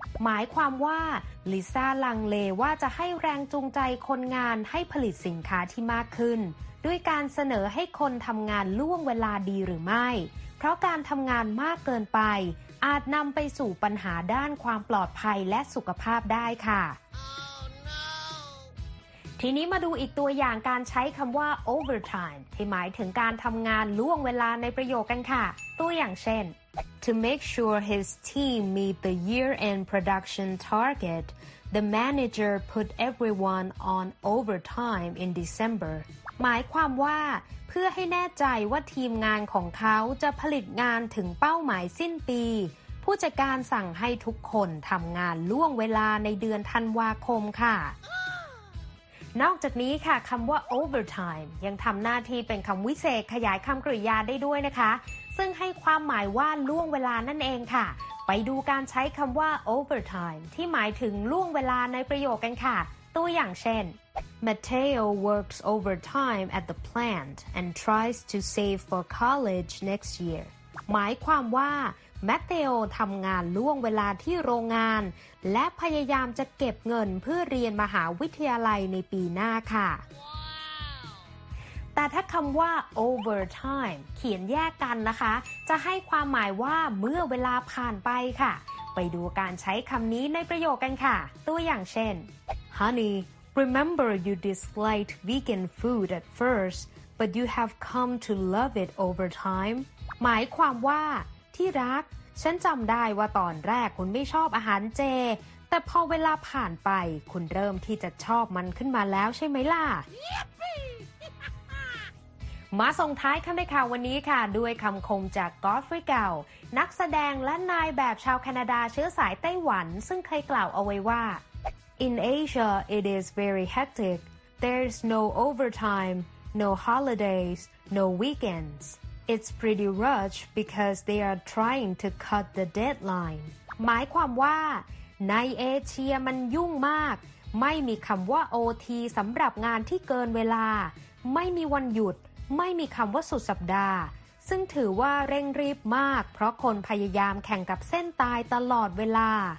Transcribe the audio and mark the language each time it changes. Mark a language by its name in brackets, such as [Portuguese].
[Thai] หมายความว่า Lisa ลังเลว่าจะให้แรงจูงใจคนงานให้ผลิตสินค้าที่มากขึ้นด้วยการเสนอให้คนทำงานล่วงเวลาดีหรือไม่เพราะการทำงานมากเกินไปอาจนำไปสู่ปัญหาด้านความปลอดภัยและสุขภาพได้ค่ะ [English] oh, no. [Thai] ทีนี้มาดูอีกตัวอย่างการใช้คำว่า overtime ที่หมายถึงการทำงานล่วงเวลาในประโยคกันค่ะตัวอย่างเช่น [English] To make sure his team meet the year-end production target, the manager put everyone on overtime in December [Thai] หมายความว่าเพื่อให้แน่ใจว่าทีมงานของเขาจะผลิตงานถึงเป้าหมายสิ้นปีผู้จัดการสั่งให้ทุกคนทำงานล่วงเวลาในเดือนธันวาคมค่ะนอกจากนี้ค่ะคำว่า overtime ยังทำหน้าที่เป็นคำวิเศษขยายคำกริยาได้ด้วยนะคะซึ่งให้ความหมายว่าล่วงเวลานั่นเองค่ะไปดูการใช้คำว่า overtime ที่หมายถึงล่วงเวลาในประโยคกันค่ะตัวอย่างเช่น [English] Mateo works overtime at the plant and tries to save for college next year. [Thai] หมายความว่า Mateo ทำงานล่วงเวลาที่โรงงานและพยายามจะเก็บเงินเพื่อเรียนมหาวิทยาลัยในปีหน้าค่ะ [English] wow. [Thai] แต่ถ้าคำว่า overtime เขียนแยกกันนะคะจะให้ความหมายว่าเมื่อเวลาผ่านไปค่ะไปดูการใช้คำนี้ในประโยคกันค่ะตัวอย่างเช่น [English] Honey, Remember, you disliked vegan food at first, but you have come to love it over time. [Thai] หมายความว่าที่รักฉันจำได้ว่าตอนแรกคุณไม่ชอบอาหารเจแต่พอเวลาผ่านไปคุณเริ่มที่จะชอบมันขึ้นมาแล้วใช่ไหมล่ะ มาส่งท้ายคำในข่าววันนี้ค่ะด้วยคำคมจากกอล์ฟรีเกลนักแสดงและนายแบบชาวแคนาดาเชื้อสายไต้หวันซึ่งเคยกล่าวเอาไว้ว่า [English] In Asia it is very hectic. There's no overtime, no holidays, no weekends. It's pretty rush because they are trying to cut the deadline. [Thai] หมายความว่าในเอเชียมันยุ่งมากไม่มีคำว่า OT สำหรับงานที่เกินเวลาไม่มีวันหยุดไม่มีคำว่าสุดสัปดาห์ซึ่งถือว่าเร่งรีบมากเพราะคนพยายามแข่งกับเส้นตายตลอดเวลา